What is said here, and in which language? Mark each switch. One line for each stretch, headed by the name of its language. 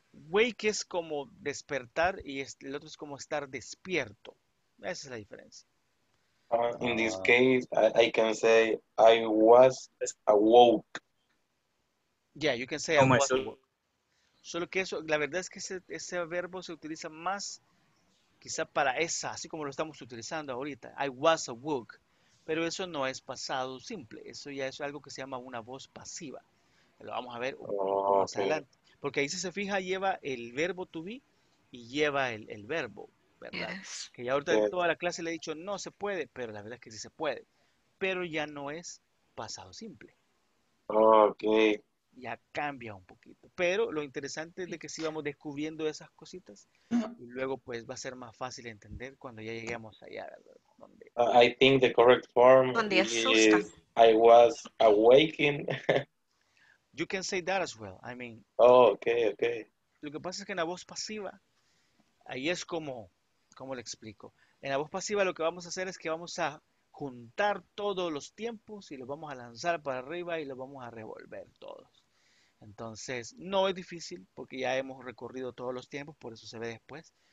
Spanish: Wake es como despertar y el otro es como estar despierto. Esa es la diferencia.
English: In this case, I can say I was awoke. Yeah, you can say I was awoke.
Spanish: Solo que eso, la verdad es que ese verbo se utiliza más quizá para esa, así como lo estamos utilizando ahorita.
English: I was awoke.
Spanish: Pero eso no es pasado simple. Eso ya es algo que se llama una voz pasiva. Lo vamos a ver más adelante. Porque ahí, si se fija, lleva el verbo to be y lleva el verbo, ¿verdad?
English: Yes.
Spanish: Que ya ahorita en toda la clase le he dicho, no se puede, pero la verdad es que sí se puede. Pero ya no es pasado simple. Ok. Ya cambia un poquito. Pero lo interesante es de que sí vamos descubriendo esas cositas. Y luego, pues, va a ser más fácil entender cuando ya lleguemos allá, ¿verdad?
English: I think the correct form is I was awakened. You can say that as well. I mean. Oh, okay, okay.
Spanish: Lo que pasa es que en la voz pasiva, ahí es como, ¿cómo le explico? En la voz pasiva lo que vamos a hacer es que vamos a juntar todos los tiempos y los vamos a lanzar para arriba y los vamos a revolver todos. Entonces, no es difícil porque ya hemos recorrido todos los tiempos, por eso se ve después.